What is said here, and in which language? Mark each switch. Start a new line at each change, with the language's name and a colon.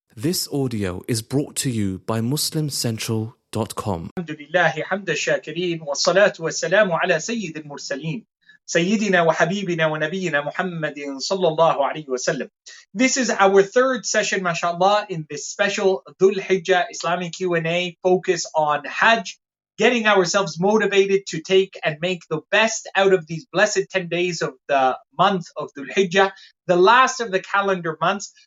English: This audio is brought to you by MuslimCentral.com.
Arabic: الحمد لله حمد الشاكرين والصلاة والسلام على سيد المرسلين سيدنا وحبيبنا ونبينا محمد صلى الله عليه وسلم.
English: This is our third session, mashallah, in this special Dhul Hijjah Islamic Q&A focus on Hajj, getting ourselves motivated to take and make the best out of these blessed 10 days of the month of Dhul Hijjah, the last of the calendar months.